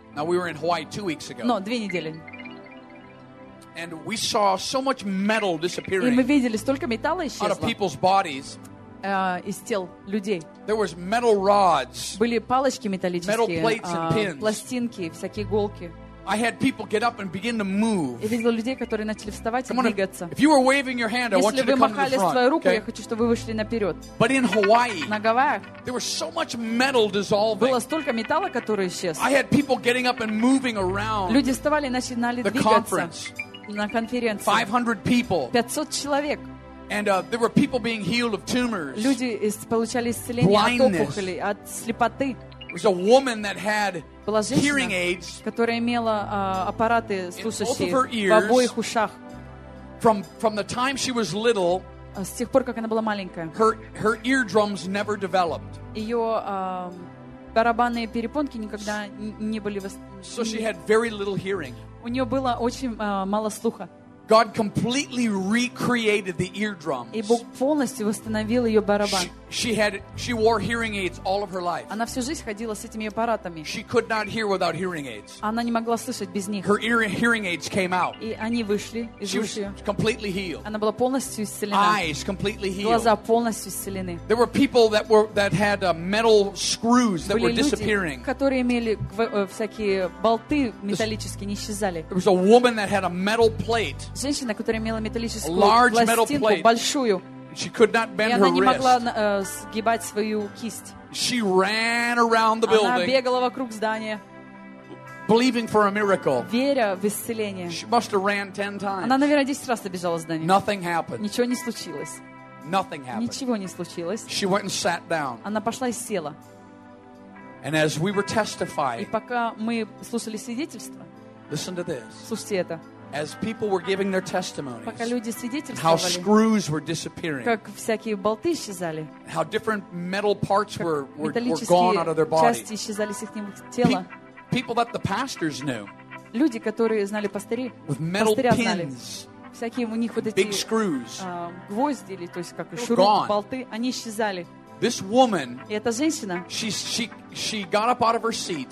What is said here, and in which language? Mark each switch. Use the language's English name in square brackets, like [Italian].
[English] Now we were in Hawaii 2 weeks ago. [Russian] Но две недели. [English] And we saw so much metal disappearing. [Russian] И мы видели столько металла исчезло. [English] Out of people's bodies. [Russian] Из тел людей. [English] There was metal rods, [Russian] были палочки металлические, [English] metal plates and pins. [Russian] Пластинки, всякие иголки. [English] I had people get up and begin to move. [Russian] Я видел людей, которые начали вставать и двигаться. [English] If you were waving your hand, I want you to come to the front. [Russian] Если вы махали свою руку, я хочу, чтобы вы вышли наперед. [English] But in Hawaii, [Russian] на Гавайях, [English] there was so much metal dissolving. [Russian] Было столько металла, который исчез. [English] I had people getting up and moving around. [Russian] Люди вставали и начинали двигаться. На конференции. [English] 500 people. [Russian] 500 человек. [English] And there were people being healed of tumors. [Russian] Люди получали исцеление от опухолей, от слепоты. [English] There was a woman that had hearing aids, [Russian] которая имела аппараты слушающие [English] in both of her ears, [Russian] в обоих ушах. [English] From the time she was little, [Russian] с тех пор как она была маленькая, [English] her eardrums never developed. [Russian] Ее барабанные перепонки никогда не были восстановлены. [English] So she had very little hearing. [Russian] У нее было очень мало слуха. [English] God completely recreated the eardrums. [Russian] И Бог полностью восстановил ее барабан. [English] She wore hearing aids all of her life. [Russian] Она всю жизнь ходила с этими аппаратами. [English] She could not hear without hearing aids. [Russian] Она не могла слышать без них. [English] Her hearing aids came out. [Russian] И они вышли из ушей. [English] She was completely healed. [Russian] Она была полностью исцелена. [English] Eyes completely healed. [Russian] Глаза полностью исцелены. [English] There were people that had metal screws that [Russian] были [English] were disappearing. [Russian] Люди, которые имели всякие болты металлические, не исчезали. [English] There was a woman that had a metal plate. [Russian] Женщина, которая имела металлическую пластинку, большую. [English] She could not bend [Russian] и она не [English] her [Russian] могла [English] wrist. [Russian] Сгибать свою кисть. [English] She ran around the building, [Russian] она бегала вокруг здания, [English] believing for a miracle. [Russian] Веря в исцеление. [English] She must have ran 10 times. [Russian] Она, наверное, 10 раз добежала здания. [English] Nothing happened. [Russian] Ничего не случилось. [English] Nothing happened. [Russian] Ничего не случилось. [English] She went and sat down. [Russian] Она пошла и села. [English] And as we were testifying, [Russian] и пока мы слушали свидетельство, [English] listen to this. [Russian] Слушайте это. [English] As people were giving their testimonies, [Russian] пока люди свидетельствовали, [English] how screws were disappearing, [Russian] как всякие болты исчезали, [English] how different metal parts were gone out of their body, [Russian] части исчезали с их тела. [English] People that the pastors knew, [Russian] люди, которые знали пастыри, пастыря знали. Всякие у них вот эти гвозди или то есть как шурупы, болты, они исчезали. [English] This woman, [Russian] эта женщина, [English] she got up out of her seat,